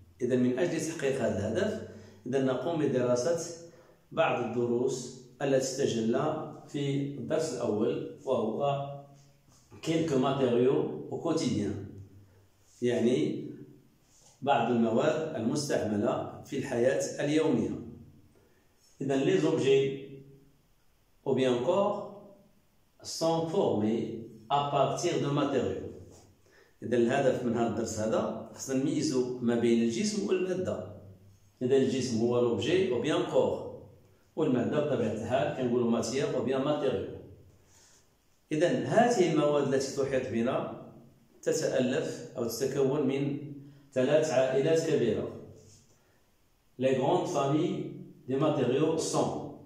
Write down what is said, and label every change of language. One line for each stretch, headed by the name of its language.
Arabic: إذا من أجل تحقيق هذا الهدف، إذا نقوم بدراسة بعض الدروس التي تجلى في الدرس الأول وهو
French: quelques matériaux au quotidien،
Arabic: يعني بعض المواد المستعملة في الحياة اليومية.
French: إذا les objets ou bien corps sont formés à partir de matériaux.
Arabic: إذا الهدف من هذا الدرس هذا خصنا نميزو ما بين الجسم والمادة. إذا الجسم هو لوبجي أو بيان كور، والمادة بطبيعة الحال كنقولو ماتيير أو بيان ماتيريو. إذا هذه المواد التي تحيط بنا تتألف أو تتكون من ثلاث عائلات كبيرة،
French: لي غروند فامي دي ماتيريو سون.